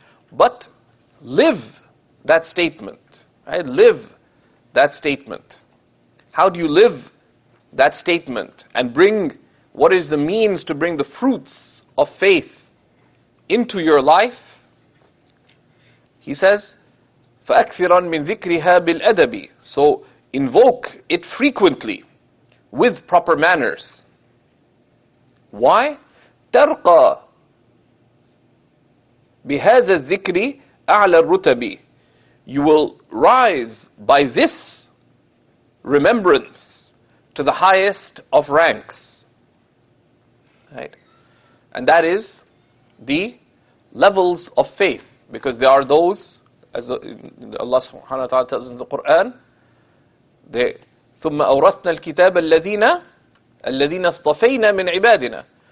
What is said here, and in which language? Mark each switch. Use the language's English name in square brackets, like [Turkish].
[English] But live that statement. Right? Live that statement. How do you live that statement and bring what is the means to bring the fruits of faith into your life? He says, [Arabic] فَأَكْثِرًا مِنْ ذِكْرِهَا بِالْأَدَبِ. [English] So invoke it frequently with proper manners. Why? [Arabic] تَرْقَى بِهَذَا الذِّكْرِ أَعْلَى الرُّتَبِ. [English] You will rise by this remembrance to the highest of ranks. Right? And that is the levels of faith. Because there are those, as Allah subhanahu wa ta'ala tells in the Qur'an, [Arabic] ثُمَّ أَوْرَثْنَا الْكِتَابَ الَّذِينَ اصْطَفَيْنَا مِنْ عِبَادِنَا.